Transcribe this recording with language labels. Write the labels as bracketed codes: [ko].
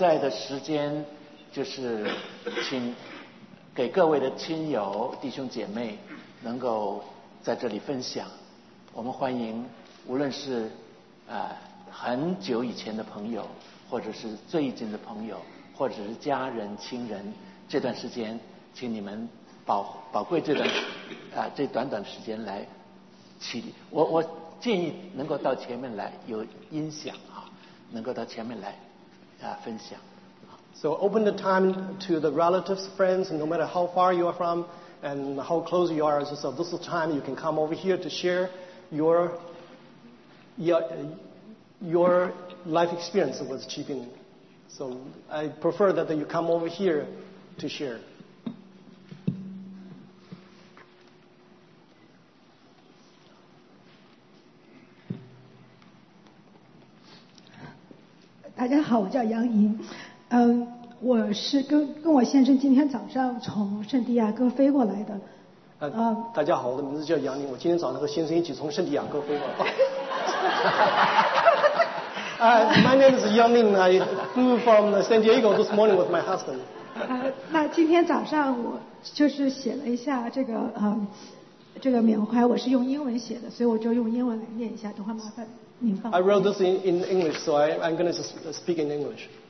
[zh] 时间就是请给各位的亲友弟兄姐妹能够在这里分享，我们欢迎无论是很久以前的朋友，或者是最近的朋友，或者是家人亲人，这段时间请你们宝贵这段这短短的时间来起立。我建议能够到前面来，有音响啊，能够到前面来分享。 [en] So open the time to the relatives, friends, no matter how far you are from and how close you are. So this is time you can come over here to share your life experience with Chi Bing. So I prefer that you come over here to share. Hello, I'm Yang Yin. [zh] 我是跟我先生今天早上从圣地亚哥飞过来的。大家好，我的名字叫杨宁，我今天早上和先生一起从圣地亚哥飞过来。 [en] my name is Yang Lin. I flew from San Diego this morning with my husband. [zh] 那今天早上我就是写了一下这个缅怀，我是用英文写的，所以我就用英文来念一下，等会麻烦您放。 [en] I wrote this in English, so I'm going to speak in English.